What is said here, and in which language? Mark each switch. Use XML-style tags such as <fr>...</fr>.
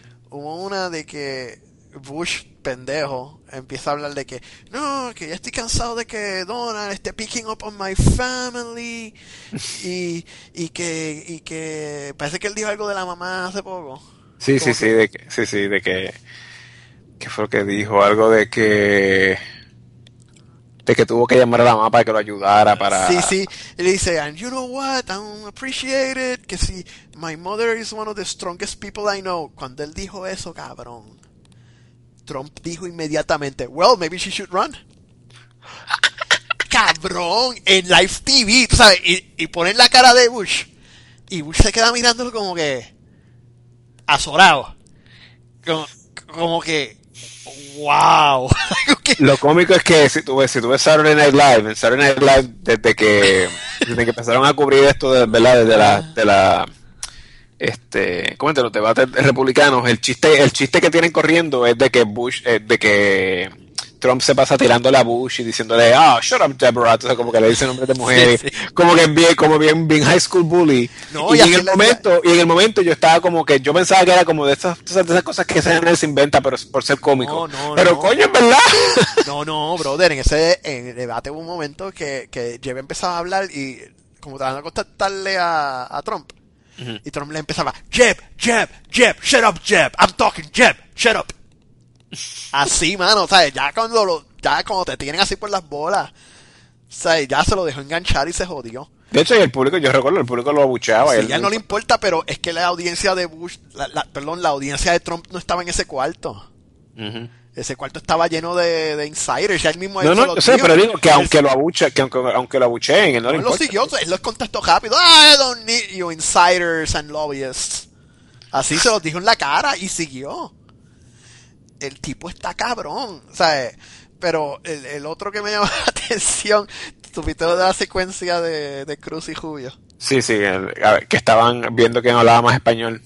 <es>Hubo una de que Bush, pendejo, empieza a hablar de que, no, que ya estoy cansado de que Donald esté picking up on my family, y que parece que él dijo algo de la mamá hace poco. Sí, como sí, que, sí, de que, sí, sí, de que, ¿qué fue lo que dijo? Algo de que... De que tuvo que llamar a la mamá para que lo ayudara para... Sí, sí. Y le dice, and you know what? I appreciate it. Que si my mother is one of the strongest people I know. Cuando él dijo eso, cabrón, Trump dijo inmediatamente, well, maybe she should run. Cabrón, en live TV, tú sabes, y ponen la cara de Bush. Y Bush se queda mirándolo como que... azorado. Como que... wow. Lo cómico es que si tú ves Saturday Night Live desde que empezaron a cubrir esto de, ¿verdad? Desde la ¿cómo te lo debates republicanos? El chiste que tienen corriendo es de que Bush, de que Trump se pasa tirándole a Bush y diciéndole, ah, oh, shut up, Deborah, o sea, como que le dice nombre de mujer, sí, sí. como bien high school bully. No, y en el momento yo estaba como que, yo pensaba que era como de esas cosas que se inventa, pero por ser cómico. No, coño, en verdad. No, brother, en el debate hubo un momento que Jeb empezaba a hablar y como tratando de contestarle a Trump.</es> <en>Uh-huh. Y Trump le empezaba, Jeb, shut up, Jeb, I'm talking, Jeb, shut up.</en> <es>Así, mano, ¿sabes? Ya cuando te tienen así por las bolas, ¿sabes? Ya se lo dejó enganchar y se jodió. De hecho, el público, yo recuerdo, el público lo abucheaba. Sí, él, ya no le importa, pero es que la audiencia de Bush, la audiencia de Trump no estaba en ese cuarto. Uh-huh. Ese cuarto estaba lleno de insiders, ya él mismo. No, yo sé, pero digo que aunque lo abucheen, él no le importa. Lo siguió, él los contestó rápido.</es> <en>I don't need you insiders and lobbyists.</en> <es>Así se los dijo en la cara y siguió. El tipo está cabrón, ¿sabes? Pero el otro que me llamó la atención, ¿supiste lo de la secuencia de Cruz y Rubio? Sí, sí, a ver, que estaban viendo quién hablaba más español.</es>